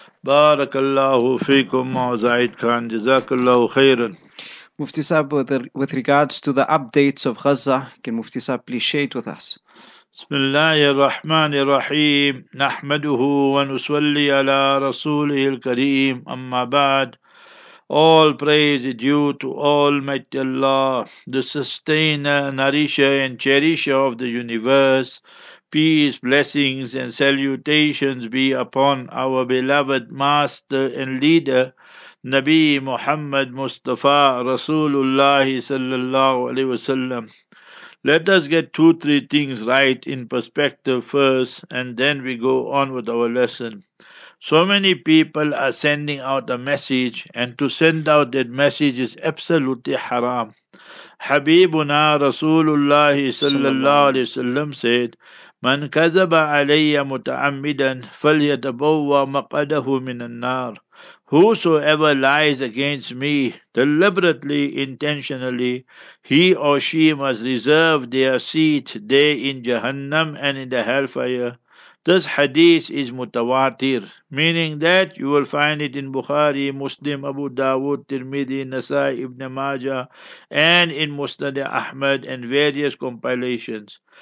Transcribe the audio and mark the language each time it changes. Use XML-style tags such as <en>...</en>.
<ar>بارك الله فيكم معزيد كان جزاك الله خيرا.</ar> <en>مفتي صاحب, with regards to the updates of Gaza, can مفتي صاحب please share it with us?</en> <ar>بسم الله الرحمن الرحيم نحمده ونصلي على رسوله الكريم أما بعد.</ar> <en>All praise is due to Almighty Allah, the sustainer, nourisher and cherisher of the universe. Peace, blessings, and salutations be upon our beloved master and leader, Nabi Muhammad Mustafa Rasulullah</en> <ar>sallallahu alaihi wasallam.</ar> <en>Let us get 2-3 things right in perspective first, and then we go on with our lesson. So many people are sending out a message, and to send out that message is absolutely haram.</en> <ar>Habibuna Rasulullah sallallahu alaihi wasallam</ar> <en>said,</en> <ar>من كذب علي متعمدا فليتبوى مقعده من النار.</ar> <en>Whosoever lies against me deliberately, intentionally, he or she must reserve their seat there in Jahannam and in the hellfire. This hadith is mutawatir, meaning that you will find it in Bukhari, Muslim, Abu Dawood, Tirmidhi, Nasai, Ibn Majah, and in Musnad Ahmad and various compilations.</en>